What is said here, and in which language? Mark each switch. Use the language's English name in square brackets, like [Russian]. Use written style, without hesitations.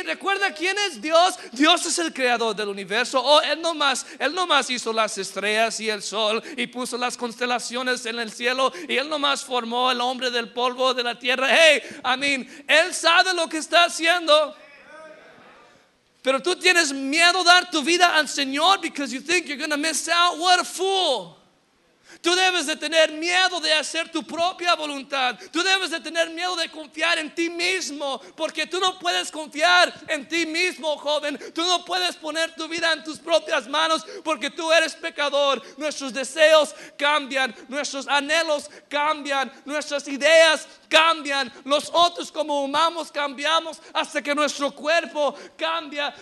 [Spanish] Recuerda quién es Dios. Dios es el creador del universo. Oh, él no más hizo las estrellas y el sol y puso las constelaciones en el cielo, y él no más formó el hombre del polvo de la tierra. [English] Hey, I mean, [Spanish] él sabe lo que está haciendo. Pero tú tienes miedo dar tu vida al Señor [English] because you think you're going to miss out. What a fool. [Spanish] Tú debes de tener miedo de hacer tu propia voluntad. Tú debes de tener miedo de confiar en ti mismo, porque tú no puedes confiar en ti mismo, joven. Tú no puedes poner tu vida en tus propias manos porque tú eres pecador. Nuestros deseos cambian, nuestros anhelos cambian, nuestras ideas cambian, los otros como humanos cambiamos hasta que nuestro cuerpo cambia.